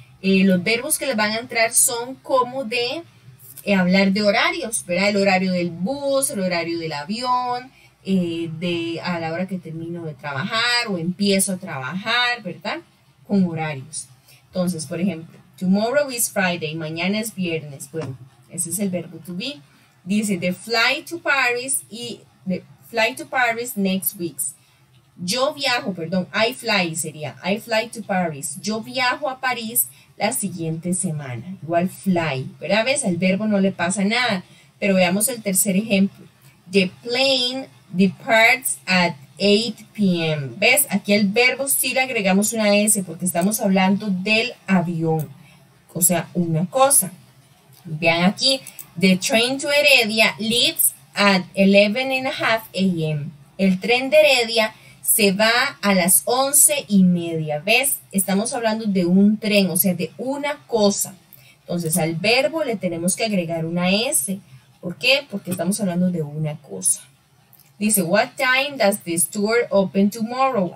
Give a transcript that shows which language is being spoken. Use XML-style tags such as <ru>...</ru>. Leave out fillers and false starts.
<es>los verbos que les van a entrar son como de hablar de horarios, ¿verdad? El horario del bus, el horario del avión... de a la hora que termino de trabajar o empiezo a trabajar, ¿verdad? Con horarios. Entonces, por ejemplo,</es> <en>tomorrow is Friday,</en> <es>mañana es viernes. Bueno, ese es el verbo to be. Dice,</es> <en>the flight to Paris y the flight to Paris next week.</en> <es>Yo viajo, perdón,</es> <en>I fly</en> <es>sería,</es> <en>I fly to Paris.</en> <es>Yo viajo a París la siguiente semana. Igual fly, ¿verdad? ¿Ves? Al verbo no le pasa nada. Pero veamos el tercer ejemplo.</es> <en>The plane departs at 8 p.m.</en> <es>¿Ves? Aquí el verbo sí le agregamos una S porque estamos hablando del avión. O sea, una cosa. Vean aquí.</es> <en>The train to Heredia leaves at 11:30 a.m.</en> <es>El tren de Heredia se va a las 11:30, ¿ves? Estamos hablando de un tren, o sea, de una cosa. Entonces, al verbo le tenemos que agregar una S. ¿Por qué? Porque estamos hablando de una cosa. Dice,</es> <en>what time does the store open tomorrow?</en>